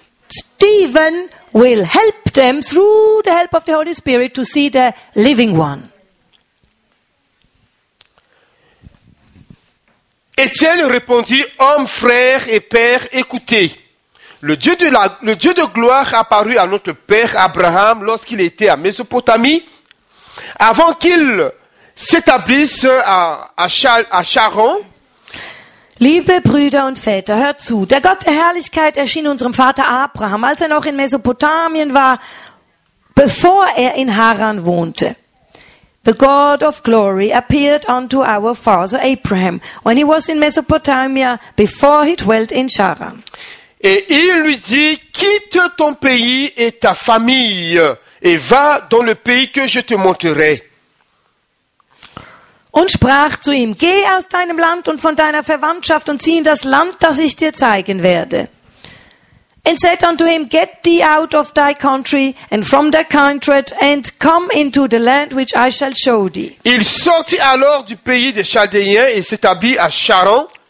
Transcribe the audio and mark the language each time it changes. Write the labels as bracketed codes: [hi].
[en] Stephen will help them through the help of the Holy Spirit to see the living one. [fr] Étienne répondit, homme, frère et père, écoutez. Le Dieu de gloire apparut à notre père Abraham lorsqu'il était à Mésopotamie, avant qu'il s'établissent à Charon. [de] Liebe Brüder und Väter, hört zu. Der Gott der Herrlichkeit erschien unserem Vater Abraham, als er noch in Mesopotamien war, bevor er in Haran wohnte. [en] The God of glory appeared unto our father Abraham, when he was in Mesopotamia, before he dwelt in Charan. [fr] Et il lui dit, quitte ton pays et ta famille, et va dans le pays que je te montrerai. [de] Und sprach zu ihm, geh aus deinem Land und von deiner Verwandtschaft und zieh in das Land, das ich dir zeigen werde. [en] And said unto him, get thee out of thy country and from thy kindred and come into the land which I shall show thee. [fr] Il sortit alors du pays des Chaldéens et s'établit à Charon.